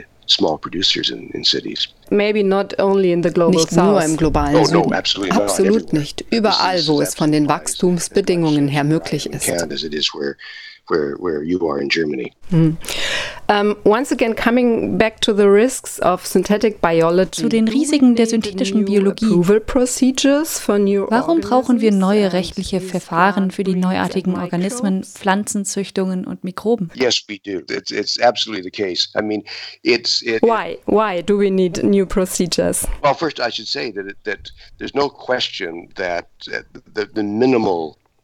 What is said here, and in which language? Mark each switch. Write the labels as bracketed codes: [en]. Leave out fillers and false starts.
[en] Small producers in cities. Maybe not only in the global [de] nicht [en] south. [de] Nur im globalen Süden. [en] Oh, no, absolutely, [de] absolut no, nicht. Überall, wo es von den Wachstumsbedingungen her möglich ist. [en] Where you are in Germany. Once again, coming back to the risks of synthetic biology. [de] Zu den Risiken der synthetischen Biologie. [en] Approval procedures for new organisms. [de] Warum brauchen wir neue rechtliche Verfahren für die neuartigen Organismen, Pflanzenzüchtungen und Mikroben? [en] Yes, we do. It's absolutely the case. I mean, Why do we need new procedures? Well, first I should say that there's no question that the minimal